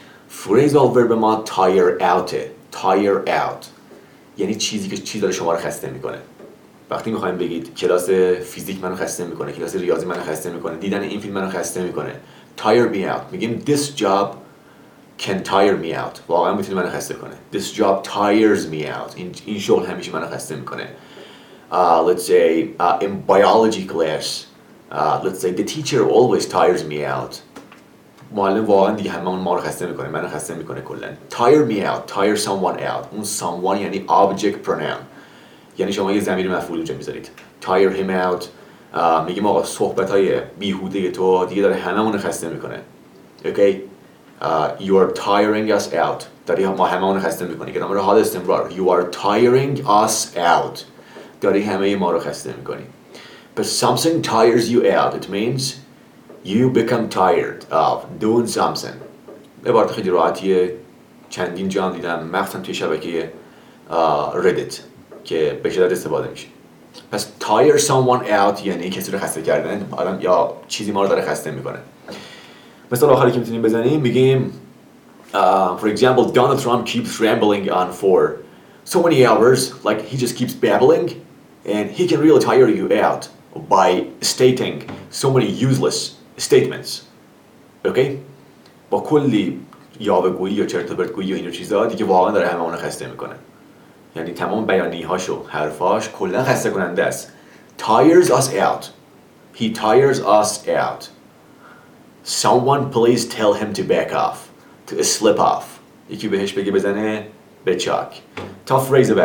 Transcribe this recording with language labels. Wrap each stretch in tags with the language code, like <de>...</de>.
<en>Phrasal verb</en> <fa>ما</fa> <en>tire out. Tire out.</en> <fa>یعنی چیزی که چی داره شما رو خسته میکنه. وقتی میخوایم بگید کلاس فیزیک منو خسته میکنه، کلاس ریاضی منو خسته میکنه، دیدن این فیلم منو خسته میکنه.</fa> <en>Tire me out.</en> <fa>میگیم</fa> <en>this job can tire me out.</en> <fa>واقعا میتونه منو خسته کنه.</fa> <en>This job tires me out.</en> <fa>این شغل همیشه منو خسته میکنه.</fa> <en>Let's say in biology class. Let's say the teacher always tires me out.</en> <fa>معلم واقعا دیگه همه ما رو خسته میکنه، منو خسته میکنه کلا.</fa> <en>Tire me out. Tire someone out.</en> <fa>اون</fa> <en>someone</en> <fa>یعنی</fa> <en>object pronoun.</en> <fa>یعنی شما یه ضمیر مفعول اونجا میذارید.</fa> <en>Tire him out.</en> <fa>میگیم آقا صحبت های بیهوده تو دیگه داره همه مون رو خسته میکنه.</fa> <en>Okay. You are tiring us out.</en> <fa>داری ما همه مون رو خسته میکنی. که دامره حال استمرار.</fa> <en>You are tiring us out.</en> <fa>داری همه ما رو خسته میکنی.</fa> <en>But something tires you out. It means you become tired of doing something.</en> <fa>عبارت خیلی راحتیه. چندین جا هم دیدم. مخصوصا توی شبکه Reddit که به شدت استفاده میشه. پس</fa> <en>tire someone out</en> <fa>یعنی کسی رو خسته کردن. آدم یا چیزی ما رو داره خسته میکنه. مثال آخری که میتونیم بزنیم. میگیم</fa> <en>For example, Donald Trump keeps rambling on for so many hours. Like he just keeps babbling. And he can really tire you out by stating so many useless statements. Okay?</en> <fa>با کلی یاوه‌گویی و چرت و پرت‌گویی و این چیزا دیگه واقعا داره همه اونو خسته میکنه. یعنی تمام بیانیه‌هاش و حرفاش کلا خسته کننده است.</fa> <en>Tires us out. He tires us out. Someone please tell him to back off. To slip off.</en> <fa>یکی بهش بگه بزنه به چاک.</fa> <en>Tough phrase about</en>